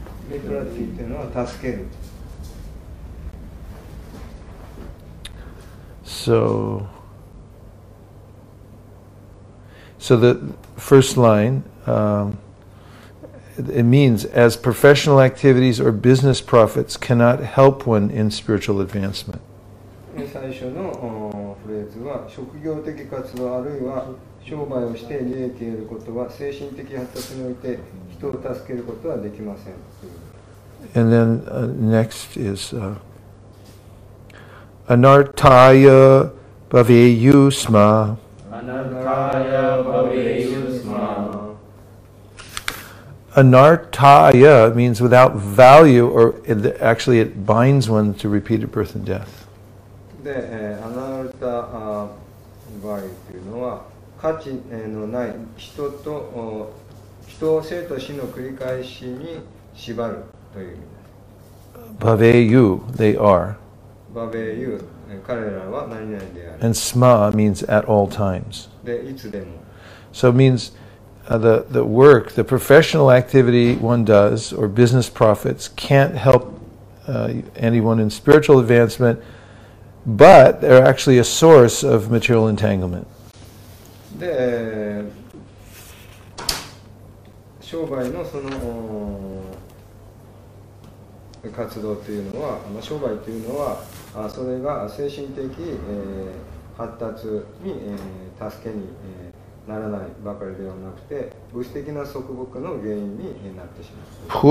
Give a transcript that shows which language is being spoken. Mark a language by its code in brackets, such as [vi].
[ja] Bibrati というのは助ける。 [en] So the first line, it means as professional activities or business profits cannot help one in spiritual advancement. [ja] 最初のフレーズは職業的活動あるいは商売をして利益を得ることは精神的発達において人を助けることはできません。 [en] And then next is anartaya bhaveyusma. [sa] Anartaya bhaveyusma. [en] Anartaya means without value, or actually it binds one to repeated birth and death. [ja] で、アナルタ場合というのは価値のない人を生と死の繰り返しに縛るという意味です。 [en] バベユ、they are。 [ja] バベユ、彼らは何々である。 [en] And sma means at all times。 [ja] で、いつでも。 [en] So it means the work, the professional activity one does, or business profits, can't help anyone in spiritual advancement. But they're actually a source of material entanglement. [ja] で、商売のその活動というのは、商売というのは、それが精神的発達に助けにならないばかりではなくて、物質的な束縛の原因になってしまう。